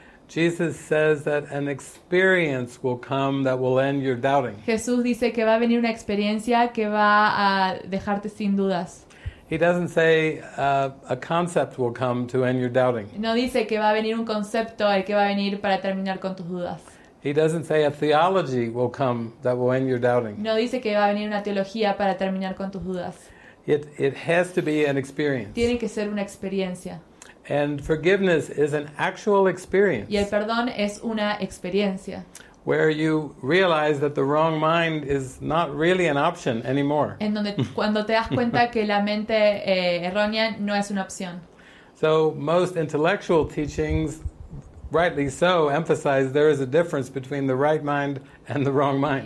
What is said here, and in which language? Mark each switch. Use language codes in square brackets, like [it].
[en] Jesus says that an experience will come that will end your doubting. [es] Jesús dice que va a venir una experiencia que va a dejarte sin dudas. [en] He doesn't say a concept will come to end your doubting. [es] No dice que va a venir un concepto el que va a venir para terminar con tus dudas. [en] He doesn't say a theology will come that will end your doubting. [es] No dice que va a venir una teología para terminar con tus dudas. [en] It has to be an experience. [es] Tiene que ser una experiencia. [en] And forgiveness is an actual experience. [es] Y el perdón es una experiencia. [en] Where you realize that the wrong mind is not really an option anymore. [es] En donde cuando te das cuenta que la mente errónea no es una opción. [en] So most intellectual teachings, rightly so, emphasize there is a difference between the right mind and the wrong mind.